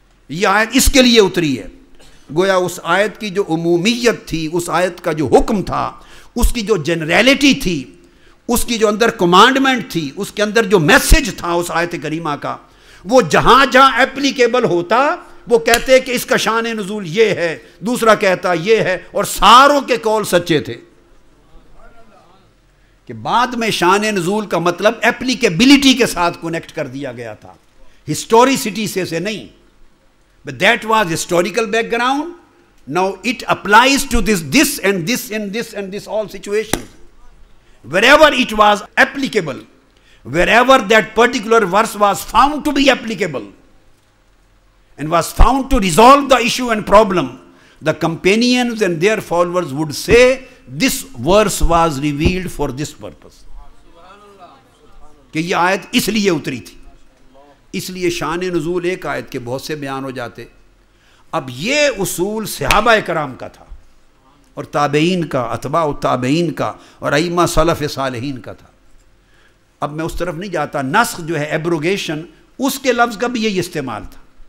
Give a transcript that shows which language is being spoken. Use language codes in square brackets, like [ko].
[ur] یہ آیت اس کے لیے اتری ہے, گویا اس آیت کی جو عمومیت تھی, اس آیت کا جو حکم تھا, اس کی جو جنریلٹی تھی, اس کی جو اندر کمانڈمنٹ تھی, اس کے اندر جو میسج تھا اس آیت کریمہ کا, وہ جہاں جہاں اپلیکیبل ہوتا وہ کہتے کہ اس کا شان نزول یہ ہے, دوسرا کہتا یہ ہے, اور ساروں کے قول سچے تھے. کہ بعد میں شان نزول کا مطلب اپلیکیبلٹی کے ساتھ کنیکٹ کر دیا گیا تھا, ہسٹوریسٹی سے نہیں. [en] But that was historical background, now it applies to this and this and this and this all situations. Wherever it was applicable, wherever that particular verse was found to be applicable and was found to resolve the issue and problem, the companions and their followers would say this verse was revealed for this purpose. [ur] کہ یہ آیت اس لیے اتری تھی. اس لیے شان نزول ایک آیت کے بہت سے بیان ہو جاتے. اب یہ اصول صحابہ کرام کا تھا اور تابعین کا, اتباع تابعین کا اور ائمہ سلف صالحین کا تھا. اب میں اس طرف نہیں جاتا. نسخ جو ہے ابروگیشن, اس کے لفظ کا بھی یہی استعمال تھا.